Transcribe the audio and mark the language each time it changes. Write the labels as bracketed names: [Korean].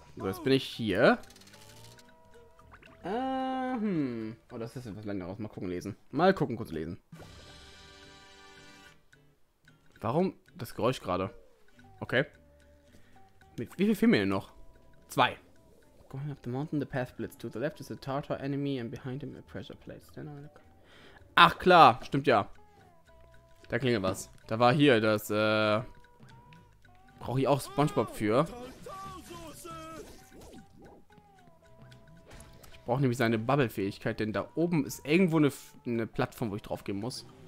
[German] So, jetzt bin ich hier. Oh, das ist etwas länger raus. Mal gucken, lesen. Mal gucken, kurz lesen. Warum das Geräusch gerade? Okay. Mit wie viel fehlen mir denn noch? Zwei. [English] Going up the mountain, the path splits. To the left is a Tartar enemy and behind him a pressure plate. [German] Ach klar, stimmt ja. Da klingelt was. Da war hier das, brauche ich auch SpongeBob für. Brauche nämlich seine Bubble-Fähigkeit, denn da oben ist irgendwo eine Plattform, wo ich drauf gehen muss.